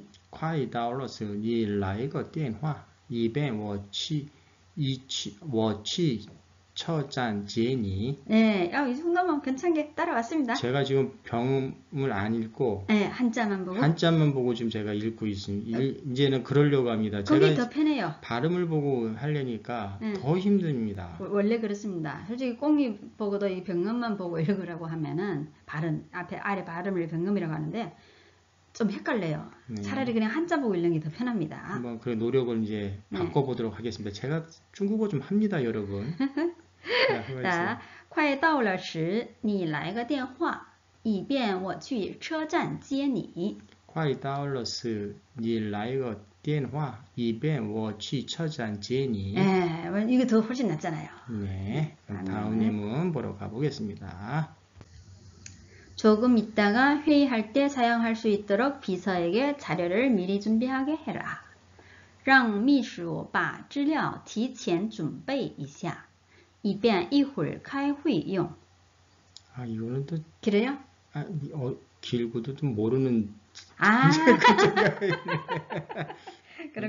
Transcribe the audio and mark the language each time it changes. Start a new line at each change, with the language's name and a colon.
Chinese: 快到了时，你来个电话，以便我去车站接你。快到了时，你来个电话，以便我去。车站接你。
Korean: 이 정도면 괜찮게 따라왔습니다. 제가 지금 병음을 안 읽고 한자만 보고. 한자만 보고 지금 제가 읽고 있습니다. 이제는 그러려고 합니다. 거기 제가 더 편해요. 발음을 보고 하려니까 더 힘듭니다. 원래 그렇습니다. 솔직히 꽁이 보고도 이 병음만 보고 읽으라고 하면은 발음 앞에 아래 발음을 병음이라고 하는데 좀 헷갈려요. 차라리 네. 그냥 한자 보고 읽는 게더 편합니다. 한번 그 노력을 이제 바꿔보도록 하겠습니다. 제가 중국어 좀 합니다, 여러분. 자, 해보세요.
Chinese: 자, 快到了时，你来个电话，以便我去车站接你。快到了时，你来个电话，以便我去车站接你。
Korean: 이거 더 훨씬 낫잖아요. 네, 그럼 다음 예문 보러 가보겠습니다. 조금 있다가 회의할 때 사용할 수 있도록 비서에게 자료를 미리 준비하게 해라.
Chinese: 让秘书把资料提前准备一下，以便一会儿开会用。
Korean: 아, 이거는 또, 그래요？ 아, 길고도 좀 모르는 아, 글자가 있네. 그럼